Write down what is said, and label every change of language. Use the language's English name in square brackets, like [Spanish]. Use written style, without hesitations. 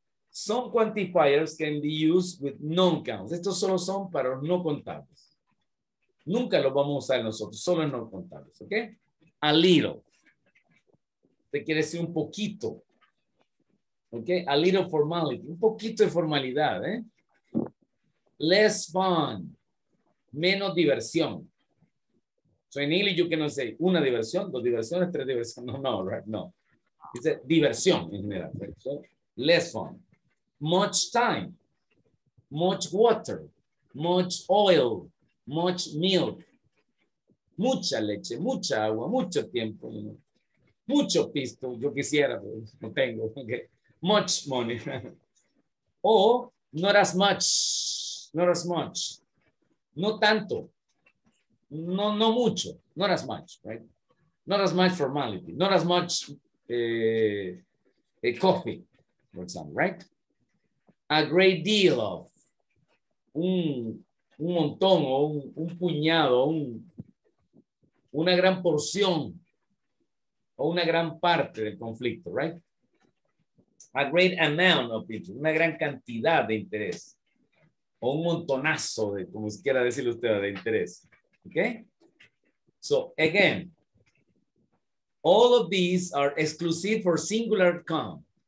[English] Some quantifiers can be used with non-counts. [Spanish] Estos solo son para los no contables. Nunca lo vamos a usar nosotros, solo en no contables, ¿ok? [English] A little. [Spanish] Te quiere decir un poquito. ¿Ok? [English] A little formality. [Spanish] Un poquito de formalidad, ¿eh? [English] Less fun. [Spanish] Menos diversión. [English] So in English you cannot say [Spanish] una diversión, dos diversiones, tres diversiones. No, no, [English] right? [Spanish] No. [English] It's a diversión en general. Right? So less fun. Much time. Much water. Much oil. Much milk, [Spanish] mucha leche, mucha agua, mucho tiempo, [English] you know? [Spanish] Mucho pisto, yo quisiera, pero no tengo, okay. [English] Much money, o not as much, [Spanish] no tanto, no mucho, [English] not as much, right? Not as much formality, not as much a coffee, for example, right? A great deal of, [Spanish] un montón o un puñado, una gran porción o una gran parte del conflicto, [English] right? A great amount of interest, [Spanish] una gran cantidad de interés o un montonazo de, como quiera decirle usted, de interés, [English] okay? So, again, all of these are exclusive for singular count.